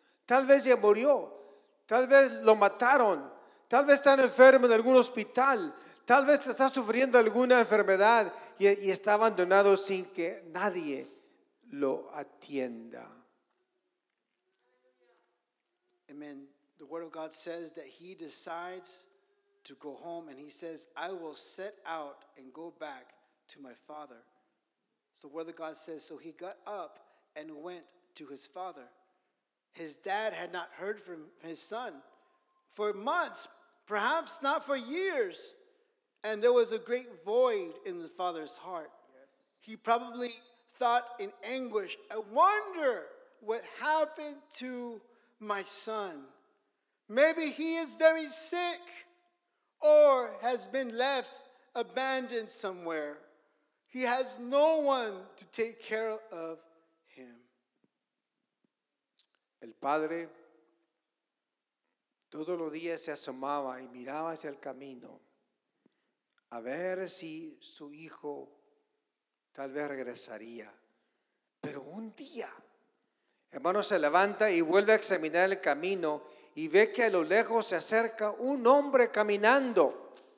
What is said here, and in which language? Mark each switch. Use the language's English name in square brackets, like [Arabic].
[Spanish] Tal vez ya murió, tal vez lo mataron, tal vez está enfermo en algún hospital, tal vez está sufriendo alguna enfermedad y está abandonado sin que nadie lo atienda. Amen. [English] The word of God says that he decides to go home and he says, I will set out and go back to my father. So the word of God says, so he got up and went to his father. His dad had not heard from his son for months, perhaps not for years. And there was a great void in the father's heart. Yes. He probably thought in anguish, I wonder what happened to my son. Maybe he is very sick or has been left abandoned somewhere. He has no one to take care of him. [Spanish] El padre todos los días se asomaba y miraba hacia el camino a ver si su hijo tal vez regresaría. Pero un día, hermano, se levanta y vuelve a examinar el camino y ve que a lo lejos se acerca un hombre caminando.